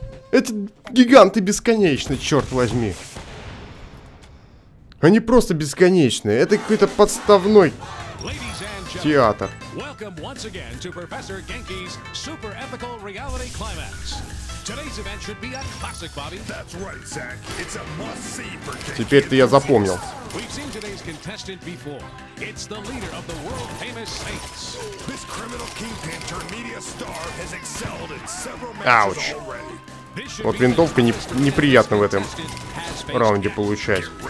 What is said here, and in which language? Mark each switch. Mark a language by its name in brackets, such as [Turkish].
[Russian] Эти гиганты бесконечны, черт возьми. Они просто бесконечны. Это какой-то подставной театр. [English] Welcome once again to Professor Genki's Super Ethical Reality Climax. Today's event should be a classic, Bobby. That's right, Zach. It's a must-see for Genki. [Russian] Теперь-то я запомнил. [English] We've seen today's contestant before. It's the leader of the world famous Saints. This criminal kingpin turned media star has excelled in several matches already. [Russian] Вот винтовка неприятно в этом раунде получать.